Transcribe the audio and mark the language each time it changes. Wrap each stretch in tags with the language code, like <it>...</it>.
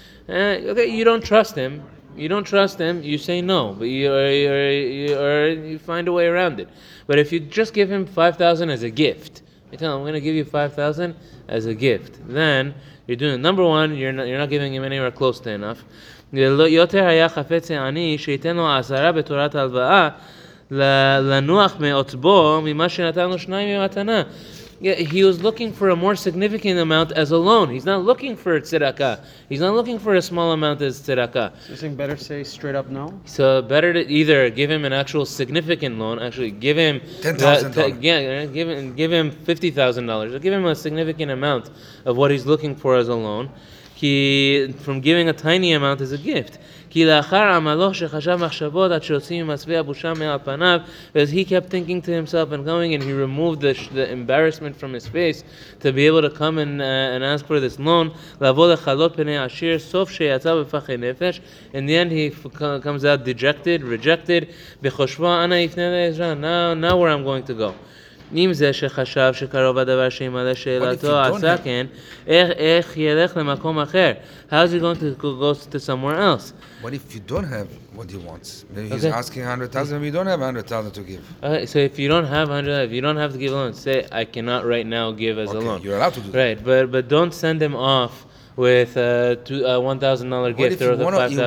<en>Okay, you don't trust him. You don't trust him, you say no, but you find a way around it. But if you just give him 5,000 as a gift, you tell him, I'm going to give you 5,000 as a gift, then you're doing it. Number one, you're not giving him anywhere close to enough.</en> <he>יותר היה חפץ העני שייתן לו עשרה בתורת הלוואה לנוח מעוצבו ממה שנתנו שניים ממתנה.</he> <en>Yeah, he was looking for a more significant amount as a loan. He's not looking for a tzedakah. He's not looking for a small amount as tzedakah. So you're saying better say straight up no? So better to either give him an actual significant loan, actually give him... $10,000. Yeah, give him $50,000. Give him a significant amount of what he's looking for as a loan. He, from giving a tiny amount as a gift. Because he kept thinking to himself and going, and he removed the embarrassment from his face to be able to come and ask for this loan. In the end, he comes out dejected, rejected. Now where I'm going to go.</en> <he>אם זה שחשב שקרוב הדבר שימלא שאלתו עשה כן, איך ילך למקום אחר?</he> <en>How is he going to go to somewhere else? What if you don't have what he wants? Maybe he's okay. Asking 100,000, maybe you don't have 100,000 to give. Okay, so if you don't have 100,000, if you don't have to give a loan, say, I cannot right now give as okay, a loan. You're allowed to do that. Right, but don't send him off with a $1,000 gift or the $5,000.</en>